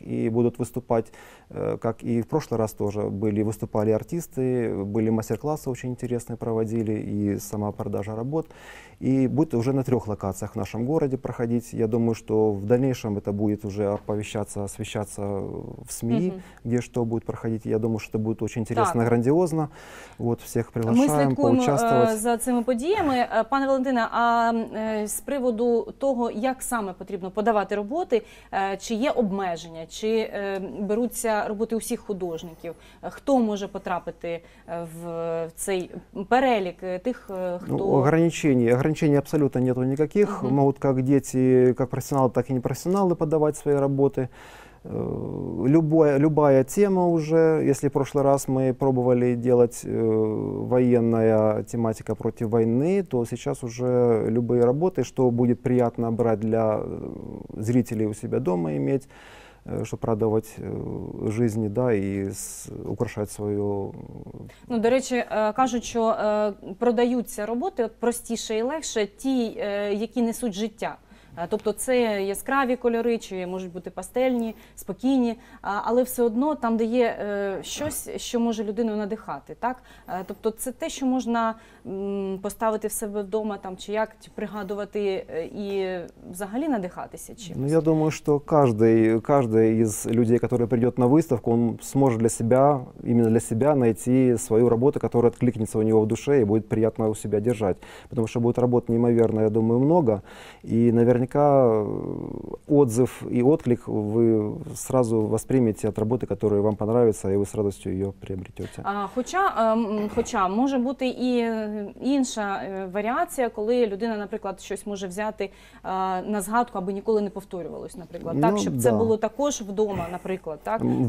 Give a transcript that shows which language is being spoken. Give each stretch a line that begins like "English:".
Russian: И будут выступать, как и в прошлый раз тоже, выступали артисты, были мастер-классы очень интересные проводили, и сама продажа работ. И будет уже на трех локациях в нашем городе проходить. Я думаю, что в дальнейшем это будет уже оповещаться, освещаться в СМИ, где что будет проходить. Я думаю, что это будет очень интересно, так. Грандиозно. Вот, всех приглашаем поучаствовать.
Ukrainian: Ми слідкуємо за цими подіями. Пане Валентине, а з приводу того, як саме потрібно подавати роботи, чи є обмеження, чи беруться роботи усіх художників? Хто може потрапити в цей перелік тих, хто...
Russian: Ну, ограничений абсолютно нету никаких. Угу.
Ukrainian: Можуть, як діти,
Russian: как профессионалы, так и непрофессионалы подавать свои работы. Любая тема уже, если в прошлый раз мы пробовали делать военная тематика против войны, то сейчас уже любые работы, что будет приятно брать для зрителей у себя дома иметь,
Ukrainian: щоб радувати житті, да, і
Russian: украшати свою...
Ukrainian: Ну, до речі, кажуть, що продаються роботи простіше і легше ті, які несуть життя. Тобто це яскраві кольори, чи можуть бути пастельні, спокійні, але все одно там, де є щось, що може людину надихати, так? Тобто це те, що можна поставити в себе вдома, там, чи як, чи пригадувати і взагалі надихатися чимось? Ну, я думаю, що кожен із людей, які прийде на виставку, він зможе для себе, іменно для себе, знайти свою роботу, яка відклікнеться у нього в душі і буде приємно у себе тримати. Тому що буде роботи неймовірно, я думаю, багато.
Russian: Наверняка отзыв и отклик вы сразу воспримете от работы, которая вам понравится, и вы с радостью ее приобретете.
Ukrainian: Хоча може бути і інша варіація, коли людина, наприклад, щось може взяти на згадку, аби ніколи не повторювалось, наприклад, так, щоб це було також вдома, наприклад, так?